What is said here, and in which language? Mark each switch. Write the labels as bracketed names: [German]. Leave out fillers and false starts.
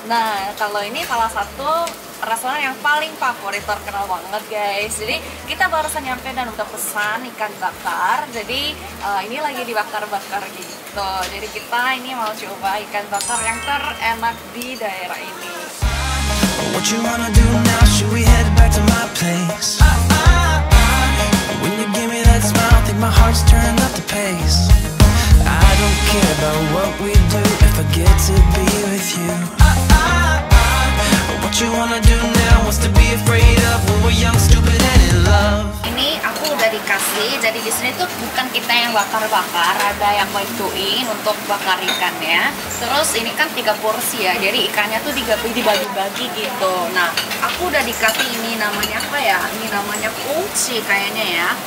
[Indonesian] Nah, kalau ini salah satu restoran yang paling favorit, terkenal banget guys. Jadi kita barusan nyampe dan udah pesan ikan bakar. Jadi ini lagi dibakar-bakar gitu. Jadi kita ini mau coba ikan bakar yang terenak di daerah ini. [English] What you wanna do now? Should we head back to my place? When you give me that smile, I think my heart's turned up the pace. I don't care about what we do if I get to be with you. What you wanna do now? What's to be afraid of? When we're young, stupid, and in love. [Indonesian] Ini aku udah dikasih. Jadi di sini tuh bukan kita yang bakar-bakar, ada yang bantuin untuk bakar ikannya. Terus ini kan 3 porsi ya, jadi ikannya tuh dibagi-bagi gitu. Nah, aku udah dikasih ini, namanya apa ya? Ini namanya kungci kayaknya ya.